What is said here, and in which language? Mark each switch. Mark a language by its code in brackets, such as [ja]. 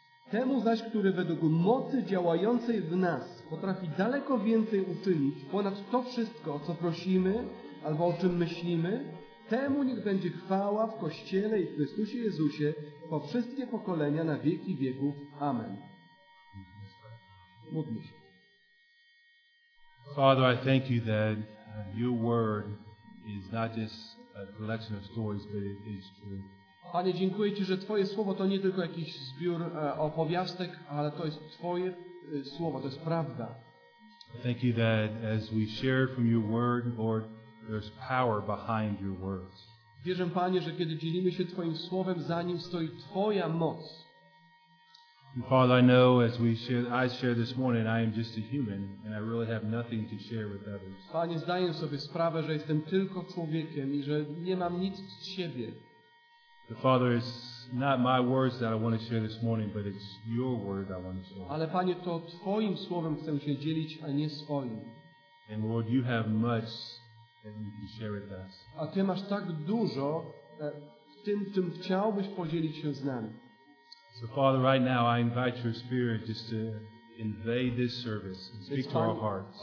[pl] Temu zaś, który według mocy działającej w nas potrafi daleko więcej uczynić ponad to wszystko, o co prosimy albo o czym myślimy, temu niech będzie chwała w Kościele i w Chrystusie Jezusie po wszystkie pokolenia na wieki wieków. Amen. Módlmy się. [en] Father, I thank you that your word is not just a collection of stories, but it is true. [pl] Panie, dziękuję Ci, że Twoje słowo to nie tylko jakiś zbiór opowiastek, ale to jest Twoje słowo, to jest prawda. [en] Thank you that as we share from your word, Lord, there's power behind your words. [pl] Wierzę, Panie, że kiedy dzielimy się Twoim słowem, za nim stoi Twoja moc. [en] Father, I know as I share this morning, I am just a human, and I really have nothing to share with others. [pl] Panie, zdaję sobie sprawę, że jestem tylko człowiekiem i że nie mam nic z siebie. [en] The Father, it's not my words that I want to share this morning, but it's your word I want to share. [pl] Ale Panie, to Twoim słowem chcę się dzielić, a nie swoim. [en] And Lord, you have much that you can share with us. [pl] A Ty masz tak dużo w tym, czym chciałbyś podzielić się z nami. [en] So Father, right now I invite your spirit just to invade this service and speak to our hearts.